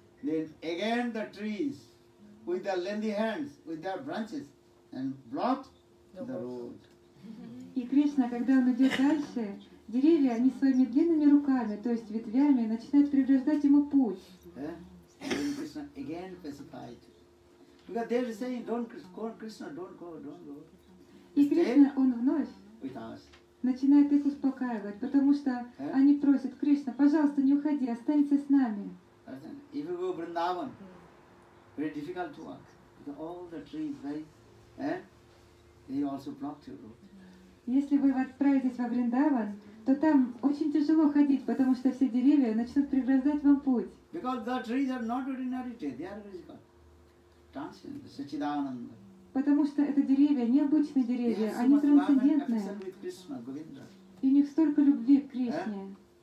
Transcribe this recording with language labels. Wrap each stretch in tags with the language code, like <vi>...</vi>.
<en>Then again the trees with their lengthy hands, with their branches, and blocked the road.</en> <ru>И Кришна, когда он идет дальше, деревья, они своими длинными руками, то есть ветвями, начинают преграждать ему путь.</ru> <en>Then Krishna again pacified. Because they were saying, "Don't go, Krishna, don't go, don't go."</en> <ru>И Кришна, он вновь</ru> <en>with us.</en> <ru>Начинает их успокаивать, потому что они просят Кришна, пожалуйста, не уходи, останься с нами.</ru> <en>If you go to Vrindavan, very difficult to walk. Because all the trees, right? They also blocked your road.</en> <ru>Если вы отправитесь во Вриндаван, то там очень тяжело ходить, потому что все деревья начнут преграждать вам путь.</ru> <en>Because the trees are not ordinary trees, they are physical, transcendent, Sachidananda.</en> <ru>Потому что это деревья, необычные деревья, они трансцендентные. И у них столько любви к Кришне.</ru>